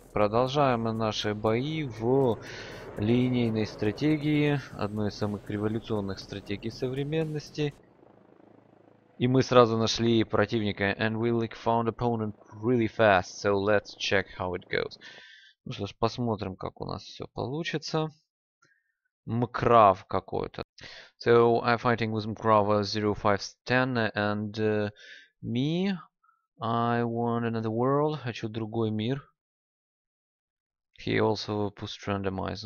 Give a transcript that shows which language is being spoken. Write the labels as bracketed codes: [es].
[ru] Продолжаем наши бои в линейной стратегии, одной из самых революционных стратегий современности. И мы сразу нашли противника. [en] And we like found opponent really fast, so let's check how it goes. [ru] Ну что ж, посмотрим, как у нас все получится. [en] Mkrav [ru] какой-то. [en] So I'm fighting with Mkrav 0510 and me. I want another world. [ru] Хочу другой мир. [en] He also pushed randomize.